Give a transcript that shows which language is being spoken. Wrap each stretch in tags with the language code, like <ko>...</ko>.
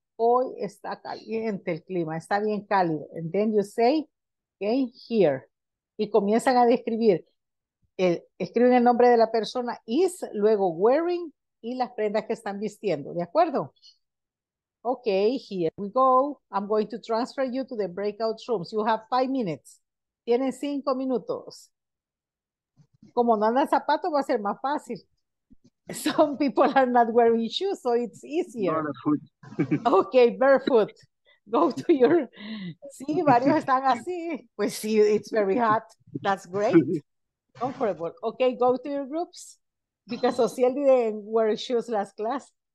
<es>Hoy está caliente el clima, está bien cálido.</es> <en>And then you say, okay, here.</en> <es>Y comienzan a describir. Escriben el nombre de la persona, is, luego wearing, y las prendas que están vistiendo, ¿de acuerdo?</es> <en>Okay, here we go. I'm going to transfer you to the breakout rooms. You have 5 minutes.</en> <es>Tienen 5 minutos. Como no andan zapatos, va a ser más fácil.</es> <en>Some people are not wearing shoes, so it's easier. Okay, barefoot. Go to your...</en> <es>Sí, varios están así. Pues sí,</es> <en>it's very hot. That's great. Comfortable. Okay, go to your groups. Because Ociel didn't wear shoes last class.</en>